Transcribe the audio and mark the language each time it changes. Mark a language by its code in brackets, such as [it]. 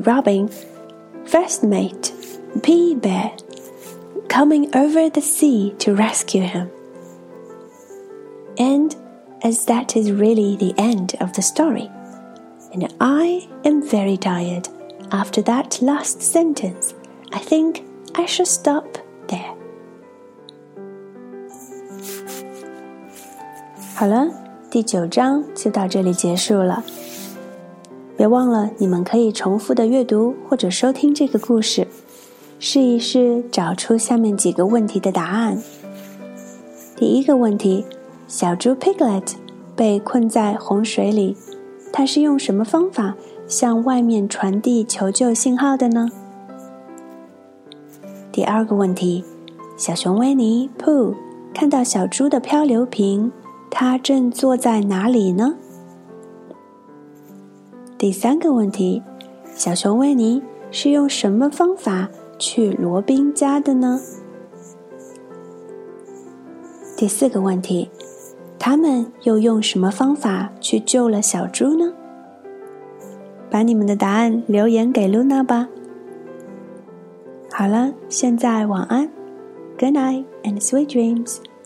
[en] Robin, first mate, P. Bear, coming over the sea to rescue him. And as that is really the end of the story, and I am very tired after that last sentence, I think I shall stop there. [zh] 好了，第九章就到这里结束了。别忘了，你们可以重复的阅读或者收听这个故事，试一试找出下面几个问题的答案。第一个问题，小猪 Piglet 被困在洪水里，它是用什么方法向外面传递求救信号的呢？第二个问题，小熊威尼 Pooh 看到小猪的漂流瓶，他正坐在哪里呢？第三个问题，小熊威尼是用什么方法去罗宾家的呢？第四个问题，他们又用什么方法去救了小猪呢？把你们的答案留言给露娜吧。好了，现在晚安。 [en] Good night and sweet dreams.